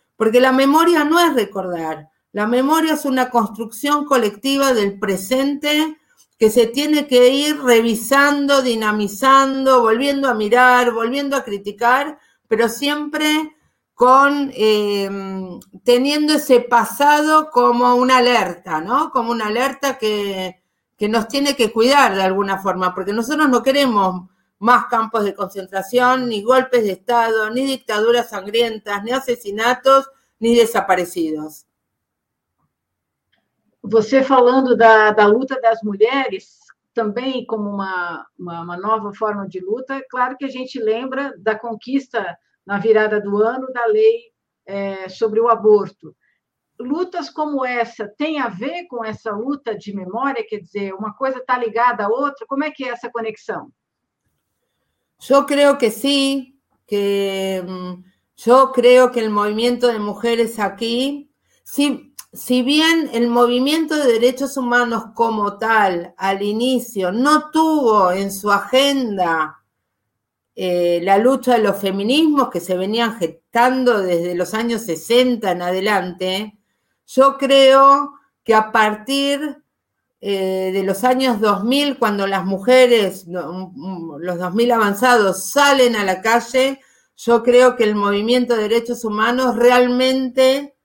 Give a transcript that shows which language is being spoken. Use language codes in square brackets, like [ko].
[es] Porque la memoria no es recordar, la memoria es una construcción colectiva del presente que se tiene que ir revisando, dinamizando, volviendo a mirar, volviendo a criticar, pero siempre con teniendo ese pasado como una alerta, ¿no? Como una alerta que nos tiene que cuidar de alguna forma, porque nosotros no queremos más campos de concentración, ni golpes de Estado, ni dictaduras sangrientas, ni asesinatos, ni desaparecidos. [pt] Você falando da luta das mulheres, também como uma nova forma de luta, claro que a gente lembra da conquista na virada do ano da lei sobre o aborto. Lutas como essa têm a ver com essa luta de memória? Quer dizer, uma coisa está ligada à outra? Como é que é essa conexão? Eu creio que sim, que eu creio que o movimento de mulheres aqui, sim. [es] Si bien el movimiento de derechos humanos como tal, al inicio, no tuvo en su agenda la lucha de los feminismos que se venían gestando desde los años 60 en adelante, yo creo que a partir de los años 2000, cuando las mujeres, los 2000 avanzados, salen a la calle, yo creo que el movimiento de derechos humanos realmente...